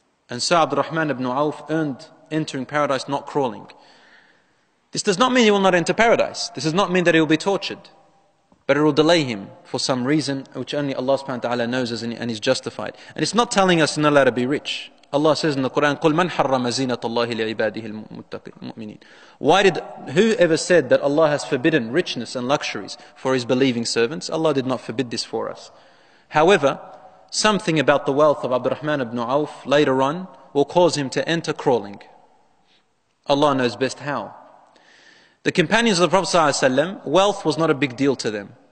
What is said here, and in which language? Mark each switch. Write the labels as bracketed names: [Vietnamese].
[English] And so Abdurrahman ibn Auf earned entering paradise not crawling. This does not mean he will not enter paradise. This does not mean that he will be tortured. But it will delay him for some reason which only Allah subhanahu wa ta'ala knows and is justified. And it's not telling us not allowed to be rich. Allah says in the Quran, [Arabic] قُلْ مَنْ حَرَّمَ زِينَةَ اللَّهِ لِعِبَادِهِ الْمُؤْمِنِينَ. [English] Why did, whoever said that Allah has forbidden richness and luxuries for His believing servants? Allah did not forbid this for us. However, something about the wealth of Abdurrahman ibn Auf later on will cause him to enter crawling. Allah knows best how. The companions of the Prophet ﷺ, wealth was not a big deal to them.